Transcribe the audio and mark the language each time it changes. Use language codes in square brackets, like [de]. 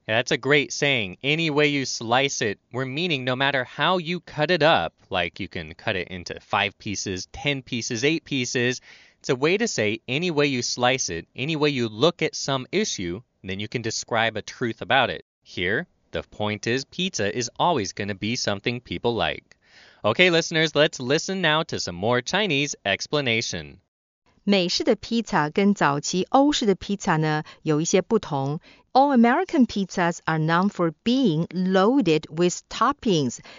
[en] Yeah, that's a great saying, any way you slice it. We're meaning no matter how you cut it up, like you can cut it into 5 pieces, 10 pieces, 8 pieces, it's a way to say any way you slice it, any way you look at some issue, then you can describe a truth about it. Here, the point is pizza is always going to be something people like. Okay, listeners, let's listen now to some more Chinese explanation. [zh] 美式的披萨跟早期欧式的披萨呢有一些不同。 [en] All American pizzas are known for being loaded with toppings.